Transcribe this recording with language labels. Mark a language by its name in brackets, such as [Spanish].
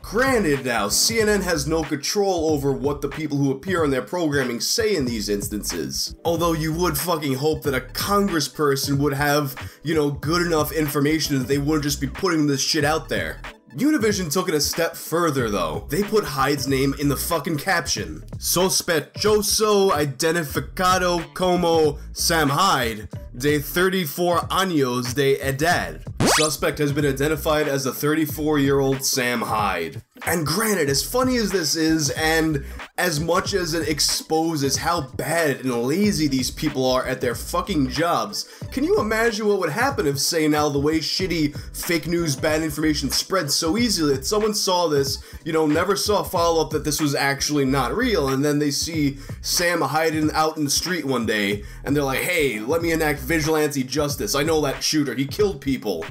[English] Granted now, CNN has no control over what the people who appear on their programming say in these instances. Although you would fucking hope that a congressperson would have, you know, good enough information that they wouldn't just be putting this shit out there. Univision took it a step further though. They put Hyde's name in the fucking caption. [Spanish] Sospechoso identificado como Sam Hyde, de 34 años de edad. [English] Suspect has been identified as the 34-year-old Sam Hyde. And granted, as funny as this is, and as much as it exposes how bad and lazy these people are at their fucking jobs, can you imagine what would happen if, say, now the way shitty fake news, bad information spreads so easily that someone saw this, you know, never saw a follow-up that this was actually not real, and then they see Sam hiding out in the street one day, and they're like, hey, let me enact vigilante justice. I know that shooter. He killed people.